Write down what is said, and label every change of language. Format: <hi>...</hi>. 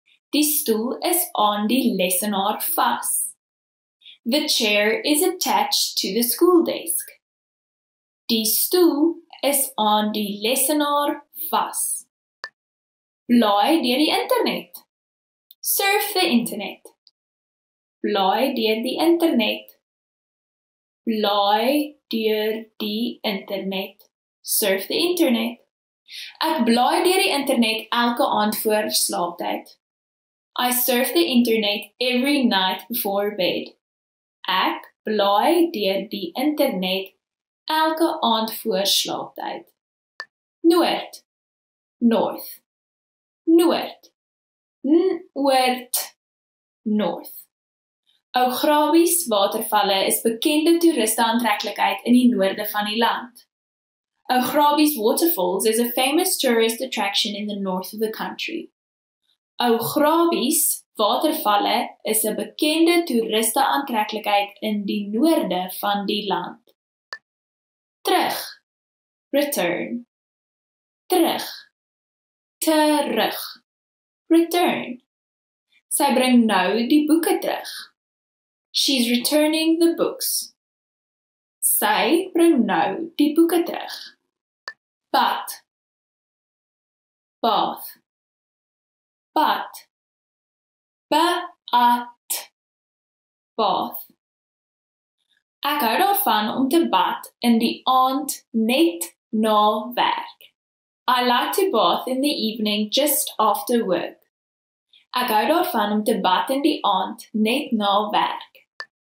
<af>Die stoel is aan die lessenaar vas.</af> <en>The chair is attached to the school desk.</en> <af>Die stoel is aan die lessenaar vas. Blaai deur die internet. Surf the internet. Blaai deur die internet. Blaai deur die internet. Surf the internet. Ek blaai deur die internet elke aand voor slaaptyd.</af> <en>I surf the internet every night before bed.</en> <af>Ek blaai deur die internet elke aand voor slaaptyd. Noord. North. Noord. Noord. North. Ograbies watervalle is bekende toeriste aantreklikheid in die noorde van die land.</af> <en>Ograbies Waterfalls is a famous tourist attraction in the north of the country.</en> <af>Ograbies Watervalle is 'n bekende toeriste aantreklikheid in die noorde van die land. Terug. Return. Terug. Terug. Return. Sy bring nou die boeke terug. She's returning the books. Sy bring nou die boeke terug. Bad. Bath. Bad.</af> <en>Ba-at. Bath.</en> <af>Ek hou daarvan om te bad in die aand net na werk.</af> <en>I like to bath in the evening just after work.</en> <af>Ek hou daarvan om te bad in die aand net na werk.</af>